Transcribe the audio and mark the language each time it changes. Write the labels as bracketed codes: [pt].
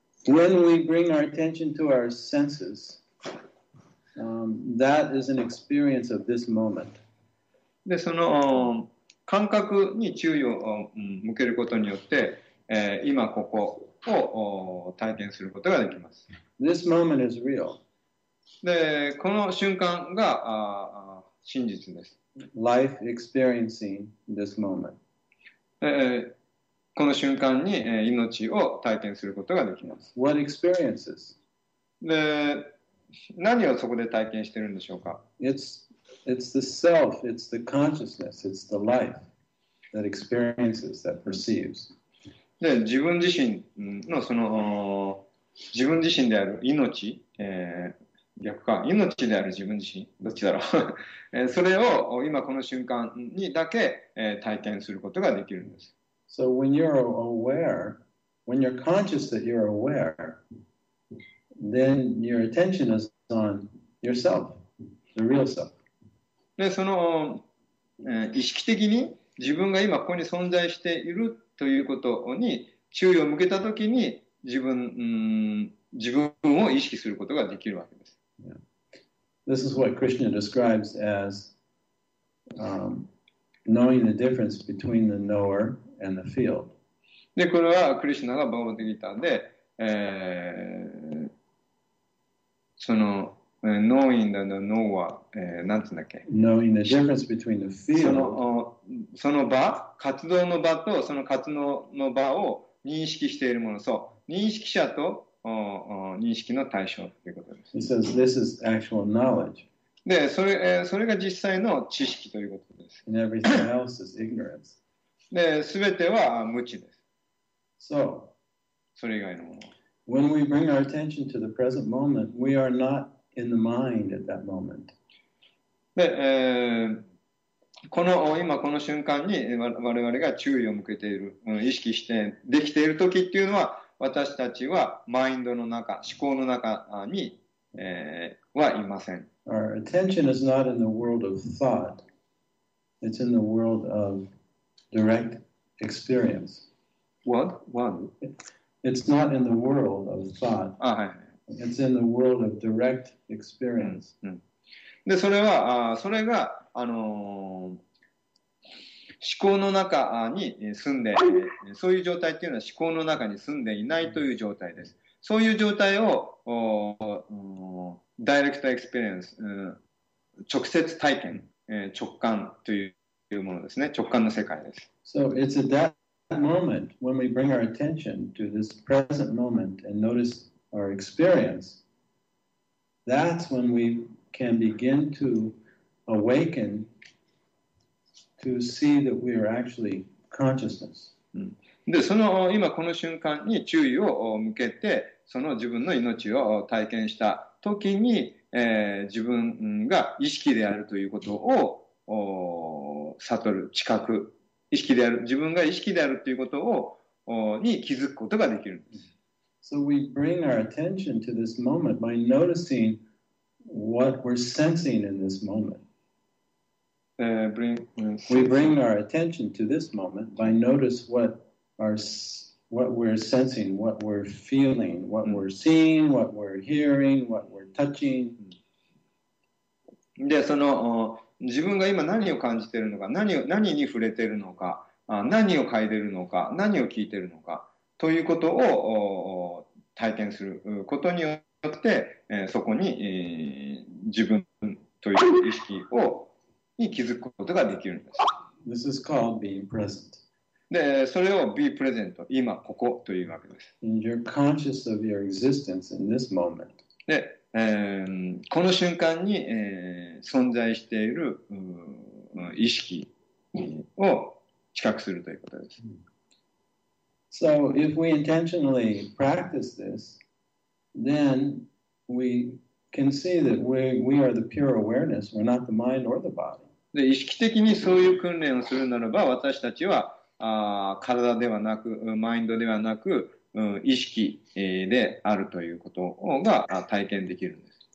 [en] When we bring our attention to our senses, that is an experience of this moment. [ja] で、その感覚に注意を向けることによって、今ここを体験することができます。 [en] This moment is real. [ja] で、この瞬間が真実です。 [en] Life experiencing this moment. [ja] この瞬間に命を体験することができます。 [en] What experiences? [ja] で、何をそこで体験してるんでしょうか？ [en] It's the self, it's the consciousness, it's the life that experiences, that perceives. [ja] で、自分自身のその自分自身である命、逆か、命である自分自身、どっちだろう。それを今この瞬間にだけ体験することができるんです。 [en] So when you're aware, when you're conscious that you're aware, then your attention is on yourself, the real self. [ja] で、その、意識的に自分が今ここに存在しているということに注意を向けたときに自分を意識することができるわけです。 [en] This is what Krishna describes as knowing the difference between the knower and the field. [ja] で、これはクリシュナがバガヴァッド・ギーターで、その、 [en] knowing the knower、 [ja] なんつんだっけ [en] ?knowing the difference between the field. [ja] その場、活動の場とその活動の場を認識しているもの、そう、認識者と認識の対象ということです。 [en] He says this is actual knowledge. [ja] で、それが実際の知識ということです。 [en] And everything else is ignorance. [ja] で、すべては無知です。 [en] So, [ja] それ以外のもの。 [en] When we bring our attention to the present moment, we are not in the mind at that moment. [ja] で、この今この瞬間に我々が注意を向けている、意識してできている時っていうのは、私たちはマインドの中、思考の中に、はいません。 [en] Our attention is not in the world of thought. It's in the world of direct experience. What? What? It's not in the world of thought. [ja] あ、はい。 [en] It's in the world of direct experience. [ja] で、それは、それが、思考の中に住んで、そういう状態っていうのは思考の中に住んでいないという状態です。そういう状態をダイレクトエクスペリエンス、直接体験、直感というものですね。直感の世界です。 [en] So it's at that moment when we bring our attention to this present moment and notice our experience, that's when we can begin to awaken. To see that we are actually consciousness. [ja] で、その今この瞬間に注意を向けて、その自分の命を体験した時に、自分が意識であるということを悟る、知覚、意識である、自分が意識であるということをに気づくことができるんです。 [en] So we bring our attention to this moment by noticing what we're sensing in this moment. We bring our attention to this moment by notice what we're sensing, what we're feeling, what we're seeing, what we're hearing, what we're touching. [ja] で、その自分が今何を感じているのか、何に触れているのか、何を嗅いでいるのか、何を聞いているのかということを体験することによって、そこに自分という意識をに気づくことができるんです。 [en] This is called being present. [ja] で、それを [en] be present、 [ja] 今ここというわけです。 [en] And you're conscious of your existence in this moment. [ja] で、この瞬間に、存在している意識を知覚するということです。 [en] So if we intentionally practice this, then we can see that we are the pure awareness. We're not the mind or the body. [ja] で、意識的にそういう訓練をするならば、私たちは体ではなく、マインドではなく、意識であるということが体験できるんです。